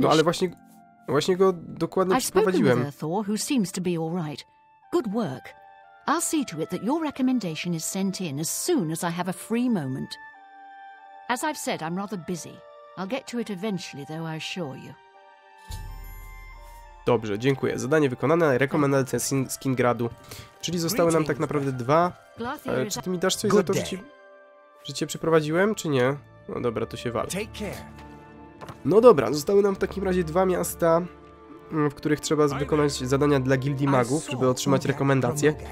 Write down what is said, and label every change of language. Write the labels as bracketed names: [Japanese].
[Polish] No, ale właśnie go dokładnie przeprowadziłem. [English] I've spoken with Thor, who seems to be all right. Good work. I'll see to it that your recommendation is sent in as soon as I have a free moment. As I've said, I'm rather busy. I'll get to it eventually, though, I assure you. [Polish] Dobrze, dziękuję. Zadanie wykonane, rekomendacja z Kingradu. Czyli zostały nam tak naprawdę dwa. Czy ty mi dasz coś za to, że cię przeprowadziłem, czy nie? No dobra, to się wali. No dobra, zostały nam w takim razie dwa miasta, w których trzeba wykonać zadania dla gildii magów, żeby otrzymać rekomendacje.